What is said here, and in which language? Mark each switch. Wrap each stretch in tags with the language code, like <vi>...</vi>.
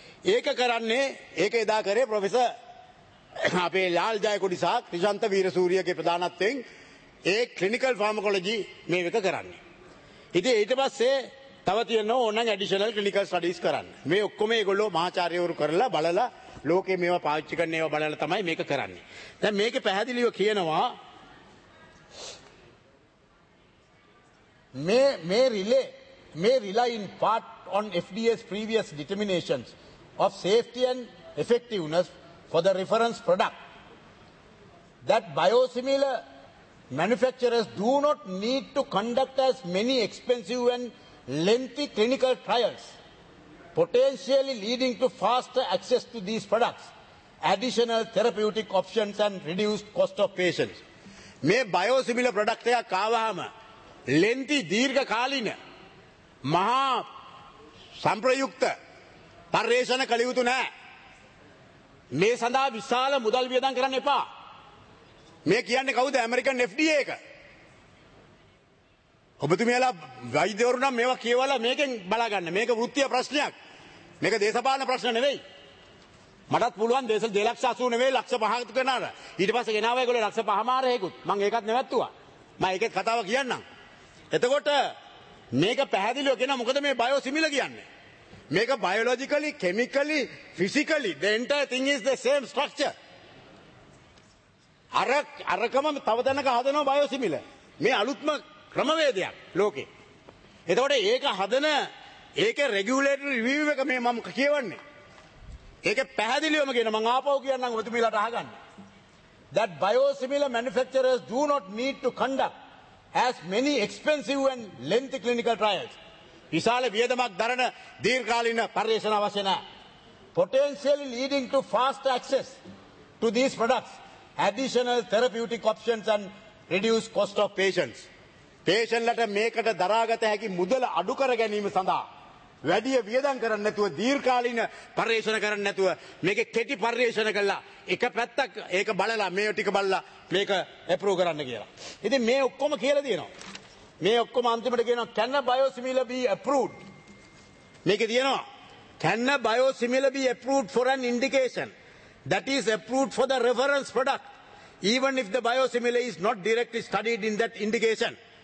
<si>ඒක කරන්නේ ඒක එදා කරේ ප්‍රොෆෙසර් අපේ ලාල් ජයකොඩි සහ ක්‍රිෂාන්ත වීරසූරියගේ ප්‍රධානත්වයෙන් ඒ clinical pharmacology මේ වික කරන්නේ. ඉතින් ඊට පස්සේ තව තියෙනවා ඕනනම් additional clinical studies කරන්න. මේ ඔක්කොම ඒගොල්ලෝ මහාචාර්යවරු කරලා බලලා ලෝකේ මේවා පාවිච්චි කරන ඒවා බලලා තමයි මේක කරන්නේ. දැන් මේකේ පැහැදිලිව කියනවා මේ</si> <en>relying part on FDA's previous determinations of safety and effectiveness for the reference product that biosimilar manufacturers do not need to conduct as many expensive and lengthy clinical trials, potentially leading to faster access to these products, additional therapeutic options and reduced cost of patients.</en> <si>මේ biosimilar product එක කාවහම lengthy දීර්ඝ කාලීන මහා සම්ප්‍රයුක්ත පරිශන කළ යුතු නැහැ. මේ සඳහා විශාල මුදල් වියදම් කරන්න එපා. මේ කියන්නේ කවුද? ඇමරිකන් FDA එක. ඔබතුමියලා වෛද්‍යවරු නම් මේවා කියවලා මේකෙන් බලාගන්න. මේක වෘත්තීය ප්‍රශ්නයක්. මේක දේශපාලන ප්‍රශ්න නෙවෙයි. මටත් පුළුවන් දේශල් 280 නෙවෙයි 105කට කරන්න. ඊට පස්සේ ගෙනාවා ඒගොල්ලෝ 105 මාරේකුත්. මම ඒකත් නැවැත්තුවා. මම ඒකේ කතාව කියන්නම්. එතකොට මේක පැහැදිලිව කියන මොකද මේ බයෝසිමිලර් කියන්නේ? මේක</si> <en>Biologically, chemically, physically the entire thing is the same structure.</en> <si>අරකම තව දැනක හදනවා බයෝසිමිලර්. මේ අලුත්ම ක්‍රමවේදයක් ලෝකේ. එතකොට ඒක හදන ඒකේ රෙගියුලේටරි රිවීව් එක මේ මම කියවන්නේ. ඒකේ පැහැදිලිවම කියන මං ආපහු කියන්නම් ඔබතුමීලාට අහගන්න.</si> <en>That biosimilar manufacturers do not need to conduct has many expensive and lengthy clinical trials.</en> <si>විශාල වියදමක් දරන දීර්ඝකාලීන පරීක්ෂණ අවශ්‍ය නැහැ.</si> <en>Potentially leading to fast access to these products, additional therapeutic options and reduced cost of patients.</en> <si>පේෂන්ලට මේකට දරාගත හැකි මුදල අඩු කර ගැනීම සඳහා වැඩි වියදම් කරන්න නැතුව දීර්ඝකාලීන පරීක්ෂණ කරන්න නැතුව මේකේ කෙටි පරීක්ෂණ කළා එක පැත්තක් ඒක බලලා මේ ටික බලලා මේක අප්‍රූව් කරන්න කියලා. ඉතින් මේ ඔක්කොම කියලා දිනවා. මේ ඔක්කොම අන්තිමට කියනවා</si> <en>can a biosimilar be approved?</en> <si>මේක දිනනවා</si> <en>can a biosimilar be approved for an indication that is approved for the reference product even if the biosimilar is not directly studied in that indication.</en>